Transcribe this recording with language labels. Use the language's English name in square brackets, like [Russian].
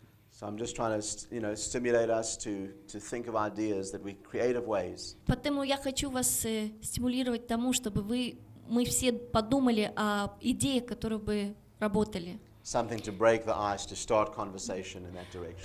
[English] So I'm just trying to, you know, stimulate us to think of ideas that we creative ways. [Russian] Поэтому я хочу вас стимулировать тому, чтобы мы все подумали о идеях, которые бы работали. [English] Something to break the ice, to start conversation in that direction.